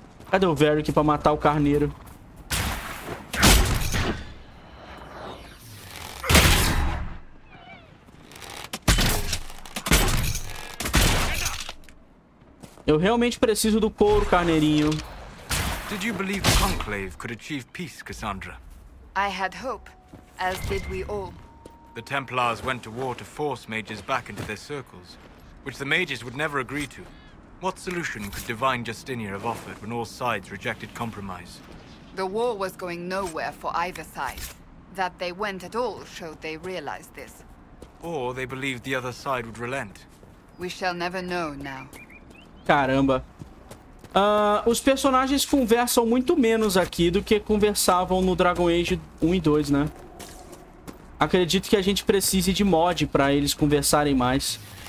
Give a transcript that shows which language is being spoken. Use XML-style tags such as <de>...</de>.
<pt>Cadê o Varric pra matar o carneiro? Eu realmente preciso do couro, carneirinho.</pt> <en>Did you believe the conclave could achieve peace, Cassandra? I had hope, as did we all. The Templars went to war to force mages back into their circles, which the mages would never agree to. What solution could Divine Justinia have offered when all sides rejected compromise? The war was going nowhere for either side. That they went at all showed they realized this. Or they believed the other side would relent. We shall never know now.</en> <pt>Caramba. Os personagens conversam muito menos aqui do que conversavam no Dragon Age 1 e 2, né? Acredito que a gente precise de mod pra eles conversarem mais.</pt>